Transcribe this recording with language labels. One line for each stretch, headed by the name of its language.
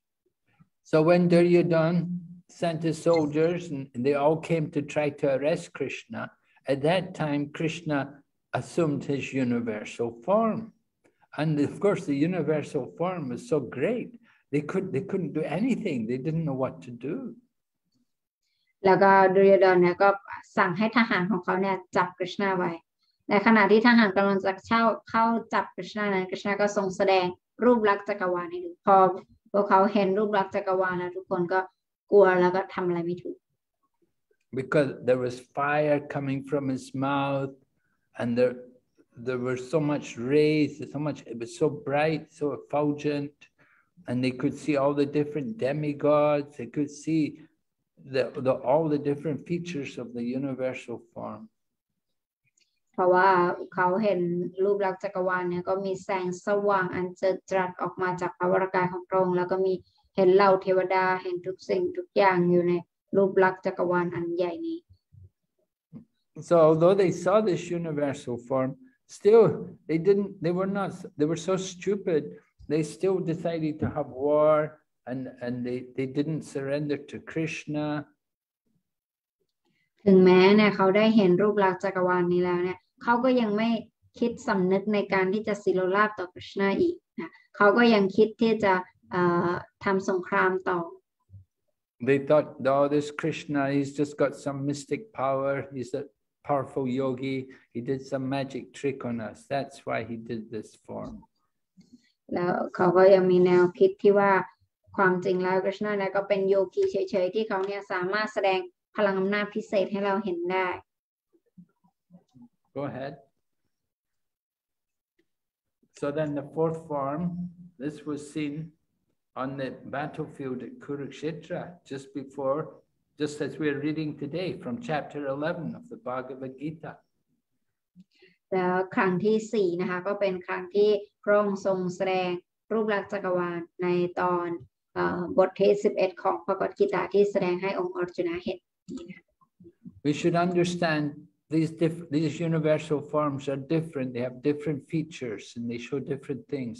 English: So when DuryodhanSent his soldiers, and they all came to try to arrest Krishna. At that time, Krishna assumed his universal form, and of course, the universal form was so great they couldn't do anything. They didn't know what to do.
Thai: แล้วก็ดุริยดอนเนี่ยก็สั่งให้ทหารของเขาเนี่ยจับคริชนาไว้ในขณะที่ทหารกำลังจะเข้าจับคริชนาเนี่ยคริชนาก็ทรงแสดงรูปลักษณ์จักรวาลให้ดูพอพวกเขาเห็นรูปลักษณ์จักรวาลแล้วทุกคนก็กลัวแล้วก็ทำอะไรไม่ถูก
English: because there was fire coming from his mouth and there were so much rays so much it was so bright so effulgent and they could see all the different demigods they could see the all the different features of the universal form
Thai: เพราะว่าเขาเห็นรูปลักษณ์จักรวาลเนี่ยก็มีแสงสว่างอันเจิดจรัสออกมาจากพระวรกายของพระองค์แล้วก็มีเห็นเหล่าเทวดาเห็นทุกสิ่งทุกอย่างอยู่ในรูปลักษณ์จักรวาลอันใหญ่นี้
English: So although they saw this universal form still they didn't they were not they were so stupid they still decided to have war and they didn't surrender to Krishna
Thai: ถึงแม้เนี่ยเขาได้เห็นรูปลักษณ์จักรวาลนี้แล้วเนี่ยเขาก็ยังไม่คิดสำนึกในการที่จะสิโรราชต่อคริชนาอีกนะเขาก็ยังคิดที่จะทำสงครามต่อ
English: They thought, oh, this Krishna, he's just got some mystic power. He's a powerful yogi. He did some magic trick on us. That's why he did this form.
Thai: แล้วเขาก็ยังมีแนวคิดที่ว่าความจริงแล้วคริชนาเนี่ยก็เป็นโยคีเฉยๆที่เขาเนี่ยสามารถแสดงพลังอำนาจพิเศษให้เราเห็นได้
English: Go ahead. So then the fourth form, this was seen. On the battlefield at Kurukshetra, just before, just as we are reading today from chapter 11 of the Bhagavad Gita. The
Thai: ครั้งที่สี่นะคะก็เป็นครั้งที่พระองค์ทรงแสดงรูปลักษณ์จักรวาลในตอนบทที่11ของพระกฤติกาที่แสดงให้องค์อัจจุนะเห็น
English: We should understand these universal forms are different. They have different features and they show different things.